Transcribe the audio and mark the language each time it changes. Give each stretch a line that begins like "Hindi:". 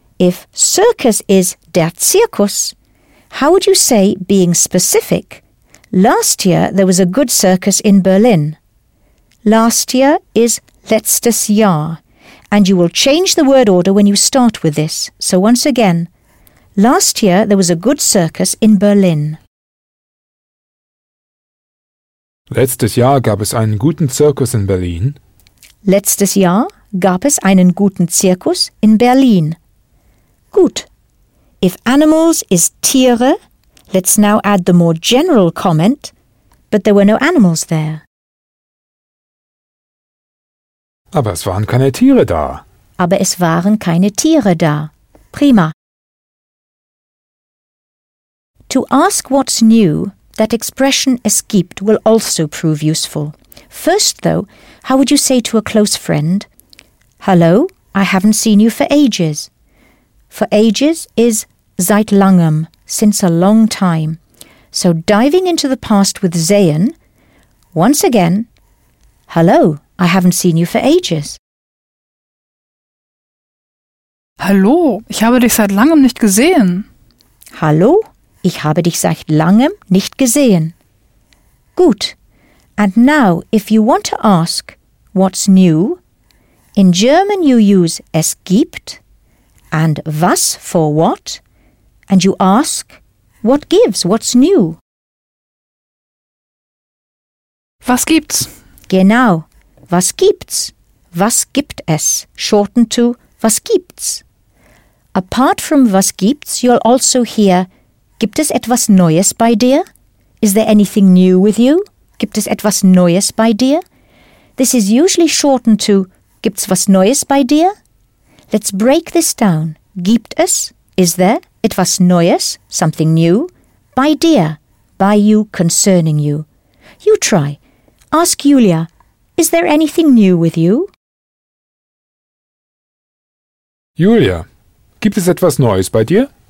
English: If circus is der Zirkus, how would you say, being specific, last year there was a good circus in Berlin? Last year is letztes Jahr, and you will change the word order when you start with this. So once again, last year there was a good circus in Berlin.
German: Letztes Jahr gab es einen guten Zirkus in Berlin. Letztes Jahr gab es einen guten Zirkus in Berlin. Gut.
English: If animals is Tiere, let's now add the more general comment, but there were no animals there.
German: Aber es waren keine Tiere da. Aber es waren keine Tiere da. Prima.
English: To ask what's new, that expression es gibt will also prove useful. First, though, how would you say to a close friend, hello, I haven't seen you for ages. For ages is
German: seit langem,
English: since a long time. So diving into the past with sehen, once again, hello, I haven't seen you for ages.
German: Hallo, ich habe dich seit langem nicht gesehen. Hallo, ich habe dich seit langem nicht gesehen. Gut.
English: And now, if you want to ask, what's new? In German you use es gibt and was for what? And you ask, what gives, what's new?
German: Was gibt's? Genau. was gibt's? Was gibt es?
English: Shortened to
German: was gibt's?
English: Apart from
German: was gibt's,
English: you'll also hear,
German: gibt es etwas Neues bei dir?
English: Is there anything new with you?
German: Gibt es etwas Neues bei dir?
English: This is usually shortened to
German: gibt's was Neues bei dir?
English: Let's break this down.
German: Gibt es,
English: is there,
German: etwas Neues,
English: something new,
German: bei dir,
English: by you, concerning you. You try. Ask Julia, is there anything new with you?
German: Julia, gibt es etwas Neues bei dir?